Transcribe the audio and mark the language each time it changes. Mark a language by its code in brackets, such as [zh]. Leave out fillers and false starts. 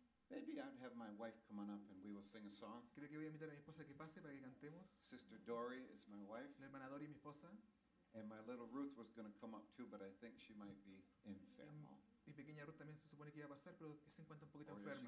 [en] Maybe I'd have my wife come on up and we will sing a song. [es] Creo que voy a invitar a mi esposa que pase para que cantemos. [en] Sister Dory is my wife. [es] La hermana Dory, mi esposa. [en] And my little Ruth was going to come up too, but I think she might be enfermo. [es] Mi pequeña Ruth también se supone que iba a pasar, pero se encuentra un poquito enferma.